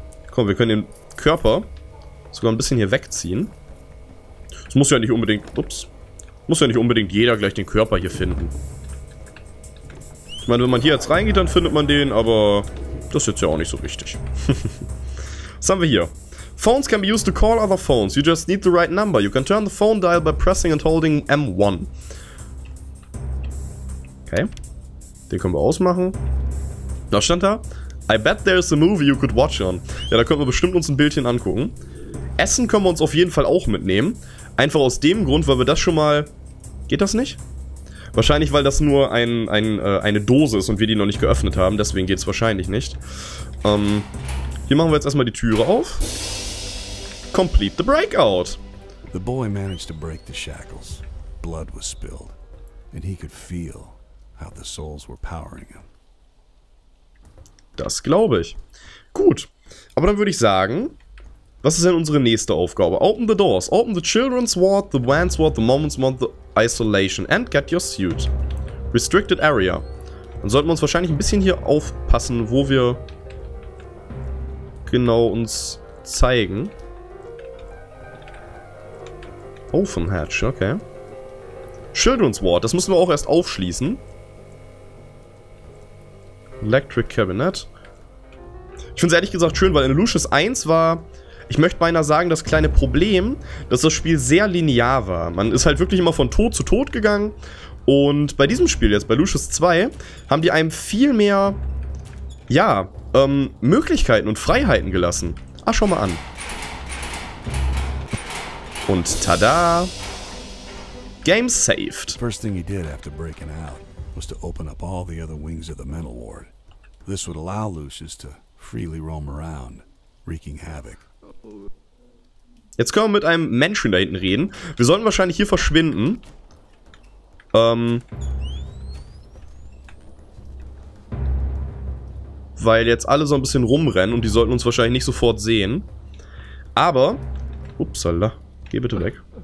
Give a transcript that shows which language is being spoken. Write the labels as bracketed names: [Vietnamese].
[German] Komm, wir können den Körper sogar ein bisschen hier wegziehen. Es muss ja nicht unbedingt... Ups. Muss ja nicht unbedingt jeder gleich den Körper hier finden. Ich meine, wenn man hier jetzt reingeht, dann findet man den, aber... Das ist jetzt ja auch nicht so wichtig. Was haben wir hier? [English] Phones can be used to call other phones. You just need the right number. You can turn the phone dial by pressing and holding M1. [German] Okay. Den können wir ausmachen. Was stand da? [English] I bet there's a movie you could watch on. [German] Ja, da können wir bestimmt uns ein Bildchen angucken. Essen können wir uns auf jeden Fall auch mitnehmen. Einfach aus dem Grund, weil wir das schon mal... Geht das nicht? Wahrscheinlich, weil das nur eine Dose ist und wir die noch nicht geöffnet haben. Deswegen geht es wahrscheinlich nicht. Hier machen wir jetzt erstmal die Türe auf. [English] Complete the breakout. The boy managed to break the shackles. Blood was spilled. And he could feel how the souls were powering him. [German] Das glaube ich. Gut. Aber dann würde ich sagen, was ist denn unsere nächste Aufgabe? [English] Open the doors. Open the children's ward, the man's ward, the moment's ward, the isolation. And get your suit. Restricted area. [German] Dann sollten wir uns wahrscheinlich ein bisschen hier aufpassen, wo wir genau uns zeigen. [English] Open hatch, [German] okay. Children's ward. Das müssen wir auch erst aufschließen. [English] Electric cabinet. [German] Ich finde es ehrlich gesagt schön, weil in Lucius 1 war, ich möchte beinahe sagen, das kleine Problem, dass das Spiel sehr linear war. Man ist halt wirklich immer von Tod zu Tod gegangen. Und bei diesem Spiel jetzt, bei Lucius 2, haben die einem viel mehr, ja, Möglichkeiten und Freiheiten gelassen. Ach, schau mal an. Und tada. [English] Game saved. First thing he did after breaking out was to open up all the other wings of the mental ward. This would allow Lucius to freely roam around, wreaking havoc. [German] Jetzt können wir mit einem Menschen da hinten reden. Wir sollten wahrscheinlich hier verschwinden. Weil jetzt alle so ein bisschen rumrennen und die sollten uns wahrscheinlich nicht sofort sehen. Aber, upsala, geh bitte weg.